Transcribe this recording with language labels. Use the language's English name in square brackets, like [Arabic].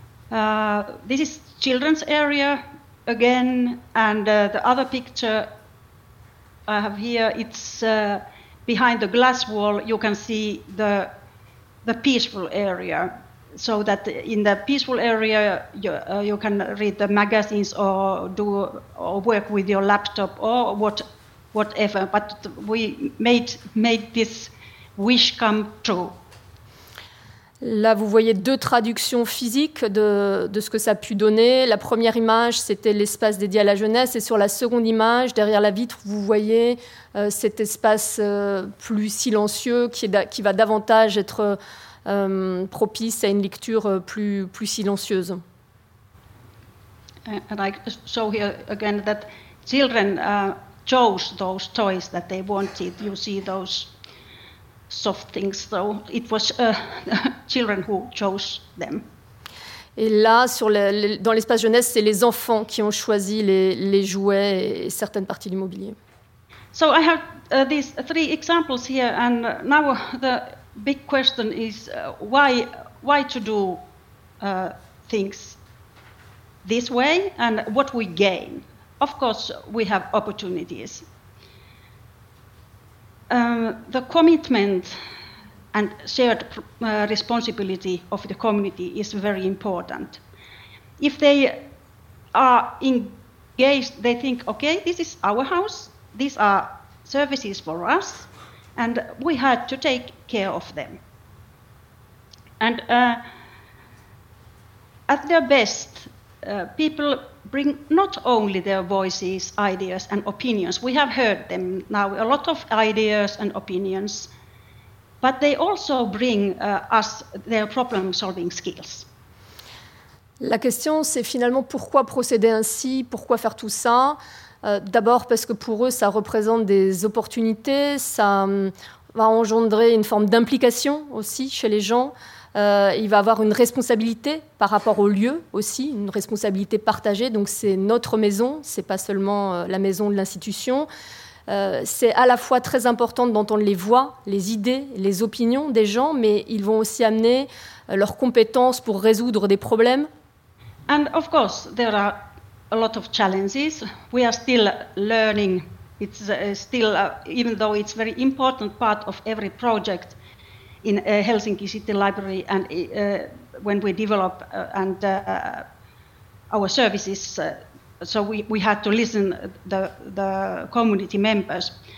[English] This is children's area again, and the other picture I have here, it's behind the glass wall, you can see the peaceful area. So that in the peaceful area, you can read the magazines or work with your laptop or whatever, but we made this wish come true. [French] Là, vous voyez deux traductions physiques de ce que ça a pu donner. La première image, c'était l'espace dédié à la jeunesse. Et sur la seconde image, derrière la vitre, vous voyez cet espace plus silencieux qui va davantage être propice à une lecture plus silencieuse. [English] And I show here again that children chose those toys that they wanted. You see those soft things, so it was children who chose them. [French] Et là, sur dans l'espace jeunesse, c'est les enfants qui ont choisi les jouets et certaines parties de l'immobilier. [English] So I have these three examples here, and now the big question is why to do things this way, and what we gain. Of course, we have opportunities. The commitment and shared responsibility of the community is very important. If they are engaged, they think, okay, this is our house, these are services for us, and we had to take care of them. And at their best, people bring not only their voices, ideas, and opinions. We have heard them now, a lot of ideas and opinions, but they also bring us their problem-solving skills. [French] La question, c'est finalement pourquoi procéder ainsi, pourquoi faire tout ça? D'abord parce que pour eux, ça représente des opportunités, ça va engendrer une forme d'implication aussi chez les gens. Il va avoir une responsabilité par rapport au lieu aussi, une responsabilité partagée. Donc c'est notre maison, c'est pas seulement la maison de l'institution. C'est à la fois très important d'entendre les voix, les idées, les opinions des gens, mais ils vont aussi amener leurs compétences pour résoudre des problèmes. [English] And of course, there are a lot of challenges. We are still learning. It's still, even though it's a very important part of every project in Helsinki City Library, and when we develop and our services, so we had to listen the community members.